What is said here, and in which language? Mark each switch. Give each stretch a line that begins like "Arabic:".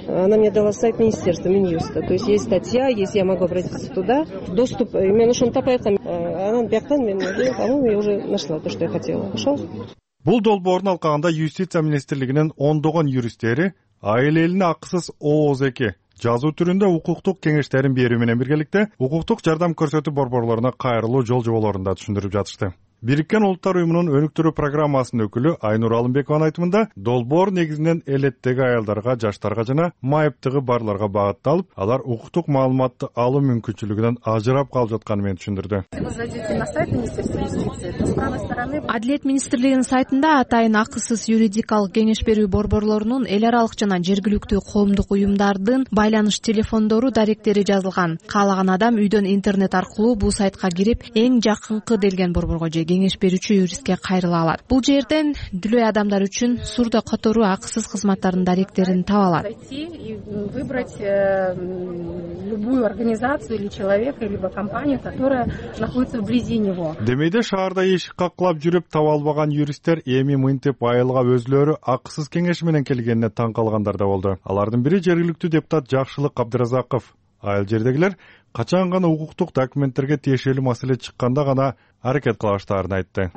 Russian: Она мне дала сайт министерства, Минюста. То есть есть статья, есть я могу обратиться туда. Доступ,
Kyrgyz: мен ошону тапай атам. Анан бияктан мен,
Russian: по-моему, я уже нашла то, что я хотела.
Kyrgyz: Ошол. Бул долбоордун алкагында юстиция министрлигинин ондогон юристтери айыл элине акысыз ООЗ-2 жазуу түрүндө укуктук кеңештерин берүү менен биргеликте укуктук жардам көрсөтүү борборлоруна кайрылуу жол жоболорун да түшүндүрүп жатышты. Бириккен Улуттар Уюмунун өнүктүрүү программасынын өкүлү Айнур Алымбекованын айтымында, долбоор негизинен элеттеги аялдарга, жаштарга жана майыптыгы барларга багытталып, алар укуктук маалыматты алуу мүмкүнчүлүгүнөн ажырап калып жатканы менен түшүндүрдү. Адилет министрлигинин сайтында атайын акысыз юридикалык кеңеш берүү борборлорунун эл аралык жана жергиликтүү коомдук уюмдардын байланыш телефондору даректери жазылган. Каалаган адам үйдөн интернет аркылуу бул сайтка кирип, эң жакынкы делген борборго же кеңеш берүүчү юристке кайрыла алат. Бул жерден дүлөй адамдар үчүн сурдо катору акысыз кызматтардын даректерин таба алат.
Russian: Любую организацию или человека, либо компанию, которая находится вблизи него.
Kyrgyz: Демейде шаарда эшик каккылап жүрүп таба албаган юристтер эми мынтип айылга өзлөрү акысыз кеңеш менен келгенине таң калгандар да болду. Алардын бири жергиликтүү депутат Жакшылык Абдыразаков. Айыл жердегилер качан гана укуктук документтерге тиешелүү маселе чыкканда гана аракет кыла баштаарын айтты.